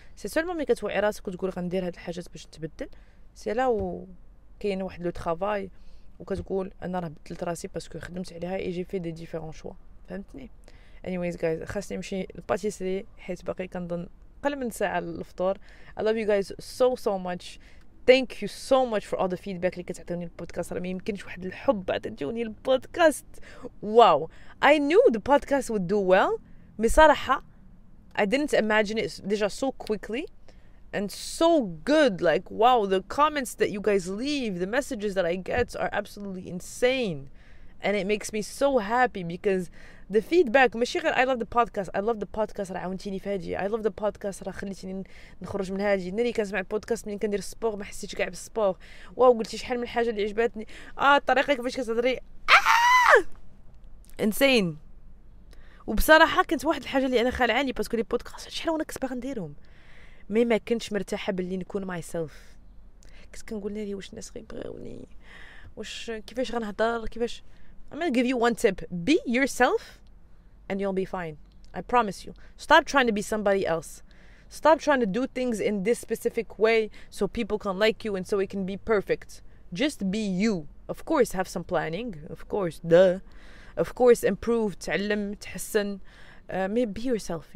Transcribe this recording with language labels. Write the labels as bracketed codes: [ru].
[ar] سي سولمون ملي كتوعي راسك وتقول غندير هاد الحاجات باش تبدل، سي لا كاين واحد لو طرافاي وكتقول انا راه بدلت راسي باسكو خدمت عليها اي جي في دي ديفيرون شوا، فهمتني؟ [en] anyways guys [ar] خاصني نمشي للباتيسري حيت باقي كنظن قل من ساعه الفطور. [en] I love you guys so much. thank you so much for all the feedback [ar] اللي كتعطوني للبودكاست. راه ما يمكنش واحد الحب بعد تجوني البودكاست. [en] Wow, I knew the podcast would do well. بصراحة I didn't imagine it ديجا so quickly and so good. Like wow, the comments that you guys leave, the messages that I get are absolutely insane, and it makes me so happy because the feedback, [ar] ماشي غير [en] I love the podcast, I love the podcast [ar] راه عاونتيني في هادي, [en] I love the podcast [ar] راه خليتيني نخرج من هادي, ملي كنسمع البودكاست ملي كندير سبور ما حسيتش كاع بالسبور, واو قلتي شحال من حاجه اللي عجبتني, الطريقه كيفاش كتهضري انسين. وبصراحه كانت واحد الحاجه اللي انا خلعاني باسكو لي بودكاست شحال وانا كنت باغا نديرهم, مي ما كنتش مرتاحه باللي نكون ماي سيلف, كنت كنقول لي واش الناس غيبغوني, واش كيفاش غنهضر, كيفاش. [en] I'm going to give you one tip. Be yourself and you'll be fine. I promise you. Stop trying to be somebody else. Stop trying to do things in this specific way so people can like you and so it can be perfect. Just be you. Of course, have some planning. Of course, duh. Of course, improve. [ar] تعلم, تحسن. [en] Be yourself.